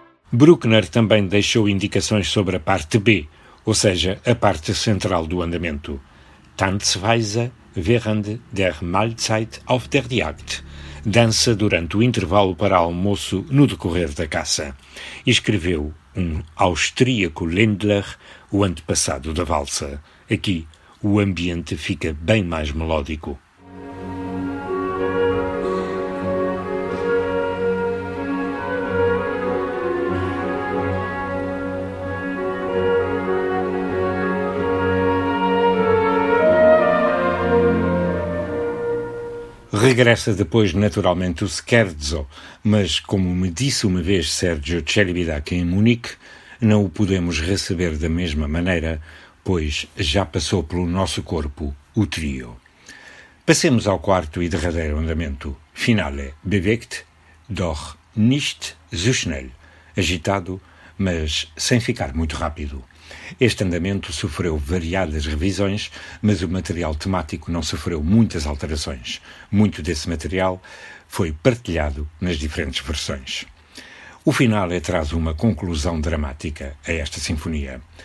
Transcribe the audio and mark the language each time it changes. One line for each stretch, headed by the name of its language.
Portuguese: Bruckner também deixou indicações sobre a parte B, ou seja, a parte central do andamento.
German: Tanzweise während der Mahlzeit auf der Jagd.
Portuguese: Dança durante o intervalo para almoço no decorrer da caça. Escreveu um austríaco Lindler, o antepassado da valsa. Aqui, o ambiente fica bem mais melódico. Regressa depois, naturalmente, o Scherzo, mas, como me disse uma vez Sergio Celibidache em Munique, não o podemos receber da mesma maneira, pois já passou pelo nosso corpo o trio. Passemos ao quarto e derradeiro andamento.
German: Finale, bewegt, doch nicht so schnell.
Portuguese: Agitado, mas sem ficar muito rápido. Este andamento sofreu variadas revisões, mas o material temático não sofreu muitas alterações. Muito desse material foi partilhado nas diferentes versões. O finale traz uma conclusão dramática a esta sinfonia.